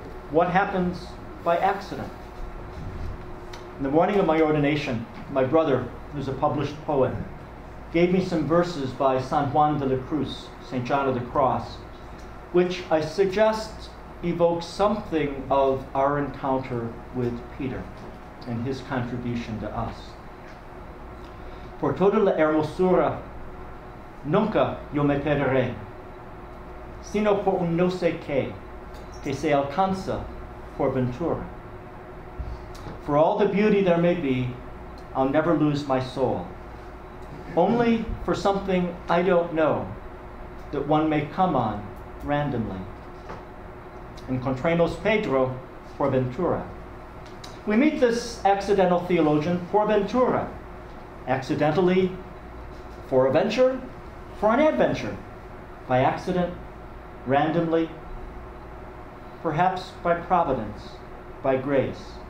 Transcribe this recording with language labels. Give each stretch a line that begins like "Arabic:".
English: What happens by accident? In the morning of my ordination, my brother, who's a published poet, gave me some verses by San Juan de la Cruz, St. John of the Cross, which I suggest evokes something of our encounter with Peter and his contribution to us.
Spanish: Por toda la hermosura, nunca yo me perderé, sino por un no sé qué, que se alcanza por ventura.
English: For all the beauty there may be, I'll never lose my soul. Only for something I don't know, that one may come on randomly.
Spanish: Encontremos Pedro por ventura.
English: We meet this accidental theologian por ventura, accidentally for a venture, for an adventure, by accident, randomly, perhaps by providence, by grace.